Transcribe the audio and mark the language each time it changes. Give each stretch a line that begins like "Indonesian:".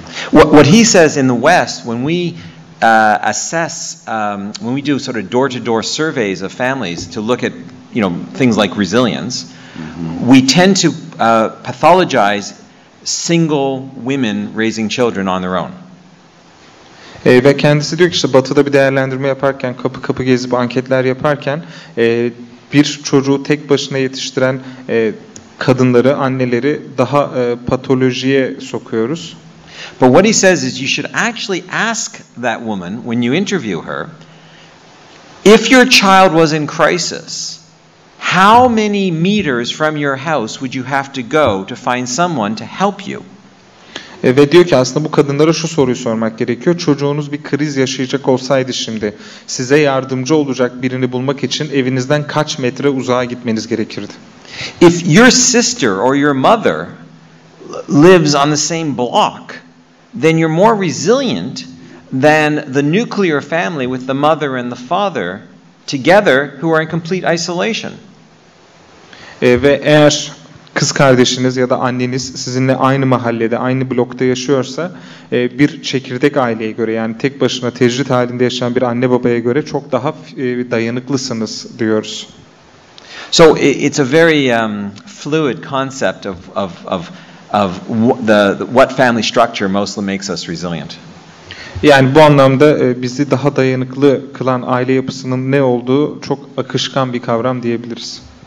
English: What he says in the West, when we assess, when we do sort of door-to-door surveys of families to look at, you know, things like resilience, we tend to pathologize single women raising children on their own.
Turkish: Ve kendisi diyor ki işte Batı'da bir değerlendirme yaparken, kapı kapı gezip anketler yaparken bir çocuğu tek başına yetiştiren kadınları, anneleri daha patolojiye sokuyoruz.
English: But what he says is you should actually ask that woman when you interview her, if your child was in crisis, how many meters from your house would you have to go to find someone to help you?
Turkish: Ve diyor ki aslında bu kadınlara şu soruyu sormak gerekiyor. Çocuğunuz bir kriz yaşayacak olsaydı şimdi size yardımcı olacak birini bulmak için evinizden kaç metre uzağa gitmeniz gerekirdi?
English: If your sister or your mother lives on the same block, then you're more resilient than the nuclear family with the mother and the father together who are in complete isolation.
Turkish: Ve eğer kız kardeşiniz ya da anneniz sizinle aynı mahallede, aynı blokta yaşıyorsa bir çekirdek aileye göre yani tek başına tecrit halinde yaşayan bir anne babaya göre çok daha dayanıklısınız diyoruz.
English: So it's a very fluid concept of what family structure mostly makes us resilient.
Turkish: Yani bu anlamda bizi daha dayanıklı kılan aile yapısının ne olduğu çok akışkan bir kavram diyebiliriz.